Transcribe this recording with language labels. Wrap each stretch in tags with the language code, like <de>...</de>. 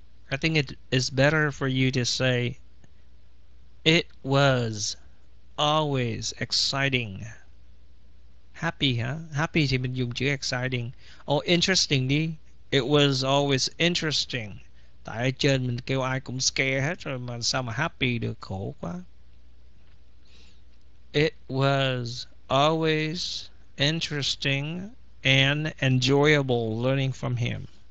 <en>I think it is better for you to say it was always exciting. Happy, huh?</en> <vi>Happy thì mình dùng chữ exciting. Oh, interesting đi.</vi> <en>It was always interesting.</en> <vi>Tại ở trên mình kêu ai cũng scare hết rồi mà sao mà happy được, khổ quá.</vi> <en>It was always interesting and enjoyable learning from him.</en>